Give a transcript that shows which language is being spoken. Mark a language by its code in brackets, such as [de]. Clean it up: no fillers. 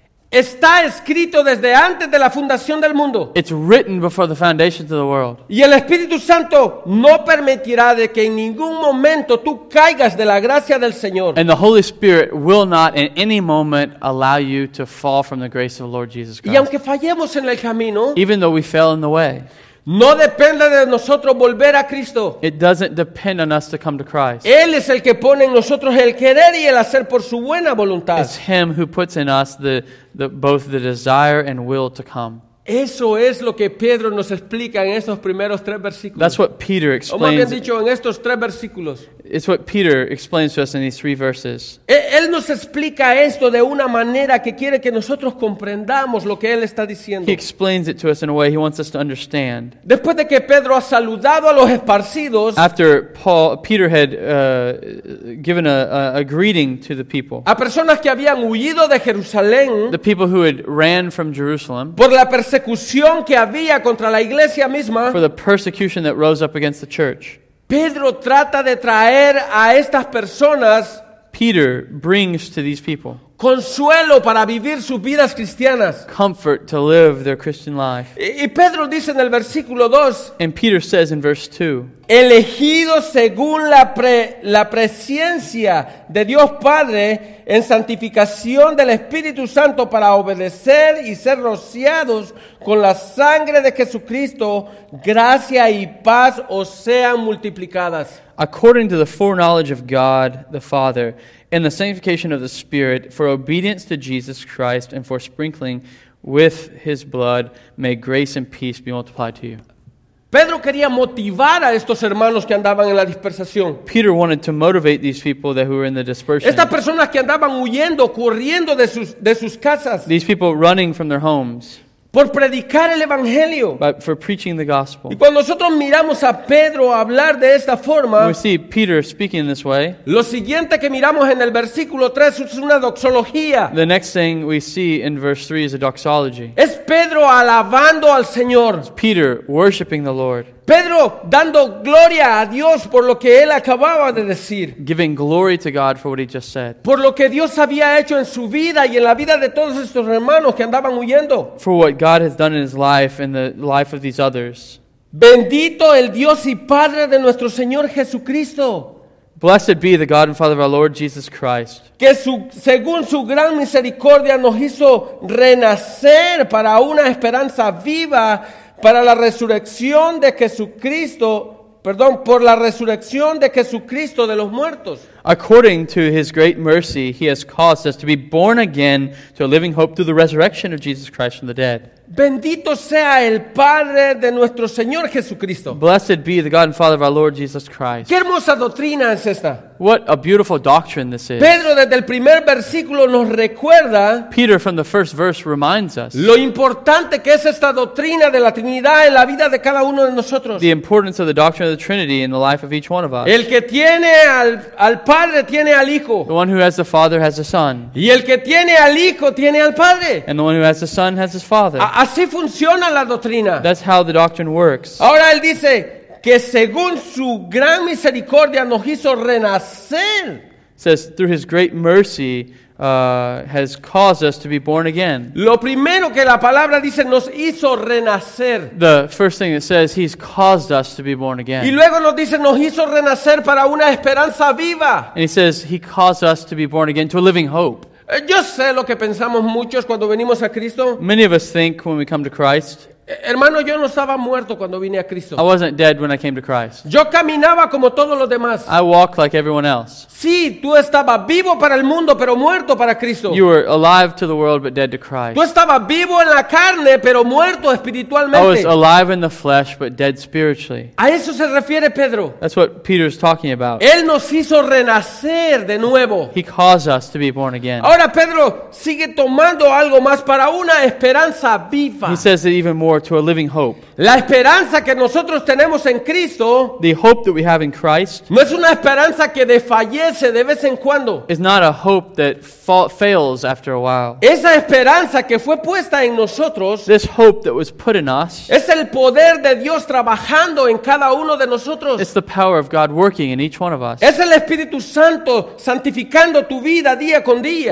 [es] Está escrito desde antes de la fundación del mundo. [en] It's written before the foundations of the world. [es] Y el Espíritu Santo no permitirá de que en ningún momento tú caigas de la gracia del Señor. [en] And the Holy Spirit will not in any moment allow you to fall from the grace of the Lord Jesus Christ. [es] Y aunque fallemos en el camino, [en] even though we fail in the way, [es] no depende de nosotros volver a Cristo. [en] It doesn't depend on us to come to Christ. [es] Él es el que pone en nosotros el querer y el hacer por su buena voluntad. [en] It's Him who puts in us the both the desire and will to come. [es] Eso es lo que Pedro nos explica en estos primeros tres versículos. [en] That's what Peter explains. [es] O más bien dicho, en estos tres versículos. [en] It's what Peter explains to us in these three verses. [es] Él nos explica esto de una manera que quiere que nosotros comprendamos lo que él está diciendo. [en] He explains it to us in a way he wants us to understand. [es] Después de que Pedro ha saludado a los esparcidos. [en] After Peter had given a greeting to the people. [es] A personas que habían huido de Jerusalén. [en] The people who had ran from Jerusalem. [es] Por la persecución que había contra la iglesia misma. [en] For the persecution that rose up against the church. [es] Pedro trata de traer a estas personas. [en] Peter brings to these people [es] consuelo para vivir sus vidas cristianas. [en] Comfort to live their Christian life. [es] Y Pedro dice en el versículo 2. [en] And Peter says in verse 2. [es] Elegidos según la presencia de Dios Padre en santificación del Espíritu Santo para obedecer y ser rociados con la sangre de Jesucristo, gracia y paz os sean multiplicadas. [en] According to the foreknowledge of God the Father, in the sanctification of the Spirit, for obedience to Jesus Christ and for sprinkling with His blood, may grace and peace be multiplied to you. [es] Pedro quería motivar a estos hermanos que andaban en la dispersión. [en] Peter wanted to motivate these people that were in the dispersion. [es] Estas personas que andaban huyendo, corriendo de sus casas. [en] These people running from their homes. [es] Por predicar el evangelio. [en] But for preaching the gospel. [es] Y cuando nosotros miramos a Pedro hablar de esta forma, [en] we see Peter speaking this way. [es] Lo siguiente que miramos en el versículo 3 es una doxología. [en] The next thing we see in verse 3 is a doxology. [es] Es Pedro alabando al Señor. [en] It's Peter worshiping the Lord. [es] Pedro dando gloria a Dios por lo que él acababa de decir. [en] Giving glory to God for what he just said. [es] Por lo que Dios había hecho en su vida y en la vida de todos estos hermanos que andaban huyendo. [en] For what God has done in his life and the life of these others. [es] Bendito el Dios y Padre de nuestro Señor Jesucristo. [en] Blessed be the God and Father of our Lord Jesus Christ. [es] Que según su gran misericordia nos hizo renacer para una esperanza viva. Para la resurrección de Jesucristo, perdón, por la resurrección de Jesucristo de los muertos. [en] According to his great mercy, he has caused us to be born again to a living hope through the resurrection of Jesus Christ from the dead. [es] Bendito sea el Padre de nuestro Señor Jesucristo. [en] Blessed be the God and Father of our Lord Jesus Christ. [es] Qué hermosa doctrina es esta. [en] What a beautiful doctrine this is. [es] Pedro desde el primer versículo nos recuerda. [en] Peter from the first verse reminds us. [es] Lo importante que es esta doctrina de la Trinidad en la vida de cada uno de nosotros. [en] The importance of the doctrine of the Trinity in the life of each one of us. [es] El que tiene al Padre tiene al Hijo. [en] The one who has the Father has the Son. [es] Y el que tiene al Hijo tiene al Padre. [en] And the one who has the Son has his Father. [es] Así funciona la doctrina. [en] That's how the doctrine works. [es] Ahora él dice que según su gran misericordia nos hizo renacer. [en] Says through his great mercy has caused us to be born again. [es] Lo primero que la palabra dice nos hizo renacer. [en] The first thing it says, he's caused us to be born again. [es] Y luego nos dice nos hizo renacer para una esperanza viva. [en] And he says he caused us to be born again to a living hope. [es] Yo sé lo que pensamos muchos cuando venimos a Cristo. [en] Many of us think when we come to Christ. [es] Hermano, yo no estaba muerto cuando vine a Cristo. [en] I wasn't dead when I came to Christ. [es] Yo caminaba como todos los demás. [en] I walked like everyone else. [es] Sí, tú estabas vivo para el mundo, pero muerto para Cristo. [en] You were alive to the world, but dead to Christ. [es] Tú estabas vivo en la carne, pero muerto espiritualmente. [en] I was alive in the flesh, but dead spiritually. [es] A eso se refiere Pedro. [en] That's what Peter's talking about. [es] Él nos hizo renacer de nuevo. [en] He caused us to be born again. [es] Ahora Pedro sigue tomando algo más para una esperanza viva. [en] He says it even more to a living hope. [es] La esperanza que nosotros tenemos en Cristo, [en] the hope that we have in Christ, [es] no es una esperanza que desfallece de vez en cuando. [en] It's not a hope that fails after a while. [es] Esa esperanza que fue puesta en nosotros, [en] this hope that was put in us, [es] es el poder de Dios trabajando en cada uno de nosotros. [en] It's the power of God working in each one of us. [es] Es el Espíritu Santo santificando tu vida día con día.